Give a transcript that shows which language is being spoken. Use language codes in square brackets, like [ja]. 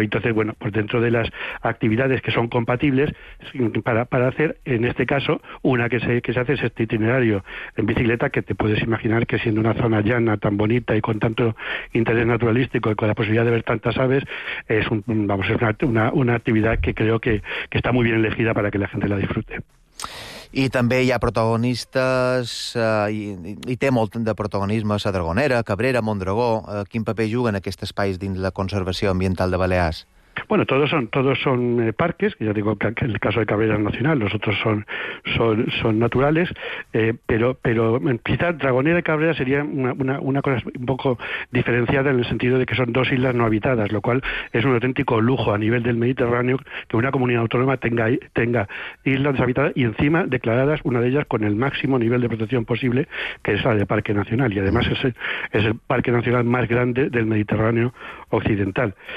[es] Entonces, bueno, pues dentro de las actividades que son compatibles para hacer, en este caso, una que se haces este itinerario en bicicleta, que te puedes imaginar que siendo una zona llana tan bonita y con tanto interés naturalístico y con la posibilidad de ver tantas aves, es un, vamos, es una actividad que creo que está muy bien elegida para que la gente la disfrute. [ca] I també hi ha protagonistes, i té molt de protagonisme, la Dragonera, Cabrera, Mondragó. Quin paper juguen aquests espais dins la conservació ambiental de Balears? [es] Bueno, todos son parques, ya digo que en el caso de Cabrera Nacional, los otros son naturales, pero quizá Dragonera y Cabrera sería una cosa un poco diferenciada en el sentido de que son dos islas no habitadas, lo cual es un auténtico lujo a nivel del Mediterráneo que una comunidad autónoma tenga islas deshabitadas y encima declaradas una de ellas con el máximo nivel de protección posible, que es la de Parque Nacional, y además es el parque nacional más grande del Mediterráneo Occidental.